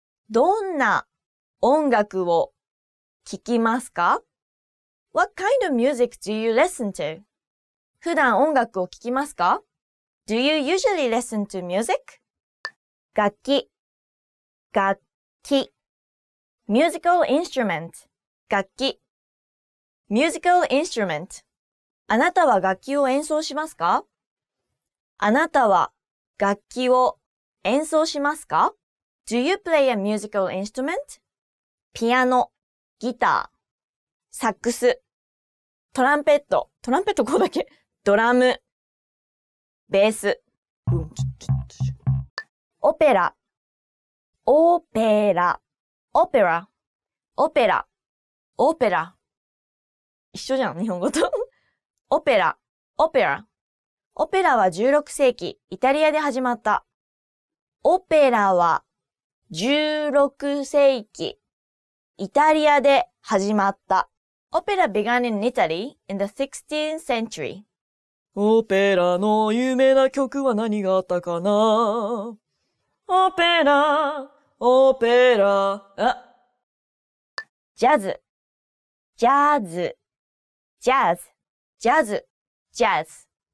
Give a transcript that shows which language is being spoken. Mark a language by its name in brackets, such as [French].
[Japanese] どんな音楽を聴きますか? [English] What kind of music do you listen to? [Japanese] 普段音楽を聴きますか? [English] Do you usually listen to music? 楽器楽器 Musical instrument 楽器 Musical instrument [Japanese] あなたは楽器を演奏しますか? あなたは楽器を演奏しますか? [English] Do you play a musical instrument? [Japanese] ピアノギターサックストランペットトランペットこうだけドラムベースオペラ、オペラ、オペラ、オペラ、オペラ。一緒じゃん、日本語と。オペラ、オペラ。オペラは16世紀、イタリアで始まった。オペラは16世紀、イタリアで始まった。 [English] オペラ began in Italy in the 16th century. [Japanese] オペラの有名な曲は何があったかな? オペラ、オペラ、あ。ジャズ、ジャズ、ジャズ、ジャズ、ジャズ。